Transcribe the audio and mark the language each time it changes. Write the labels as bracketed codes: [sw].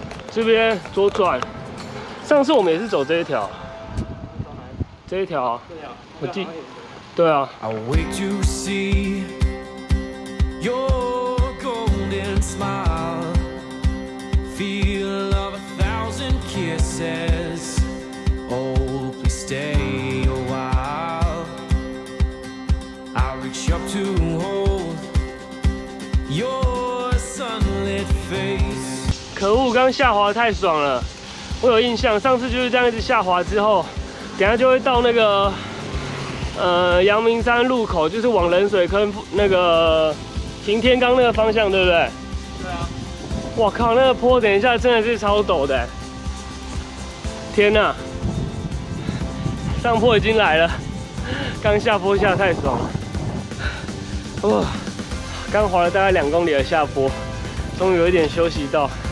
[zh] 这边左转，上次我们也是走这一条，这一条啊，我记，对啊。 [en] I wait to see your golden smile, feel of a thousand kisses. Oh, please stay a while. I reach up to hold your sunlit face. [zh] 可恶，刚下滑太爽了，我有印象，上次就是这样一直下滑之后，等下就会到那个阳明山路口，就是往冷水坑那个擎天岗那个方向，对不对？对啊。哇靠，那个坡等一下真的是超陡的，天哪，上坡已经来了，刚下坡下太爽了，哇，刚滑了大概2公里的下坡，终于有一点休息到。